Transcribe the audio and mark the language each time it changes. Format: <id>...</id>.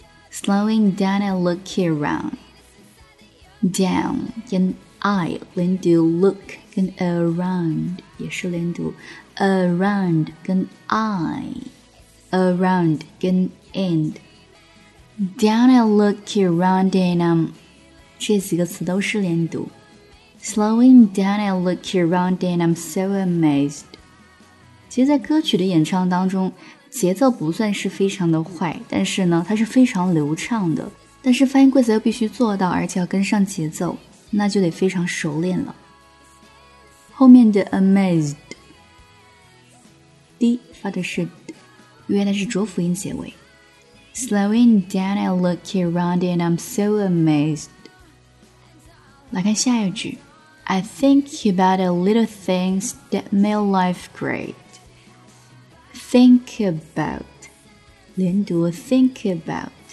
<en>Slowing down, I look around. Down, 跟 I, 连读 look, 跟 around,</en> <zh>也是连读</zh> <en>around, 跟 I, around, 跟 end. Down, I look around, and I'm,</en> <zh>这几个词都是连读</zh> <en>Slowing down, I look around, and I'm so amazed.</en> <zh>其实在歌曲的演唱当中节奏不算是非常的坏，但是呢它是非常流畅的，但是发音规则又必须做到，而且要跟上节奏，那就得非常熟练了。后面的 amazed D 发的是 D， 因为它是浊辅音结尾。</zh> <en>Slowing down, I look around and I'm so amazed.</en> <zh>来看下一句。</zh> <en>I think about the little things that make life greatThink about, 连读 think about.</en>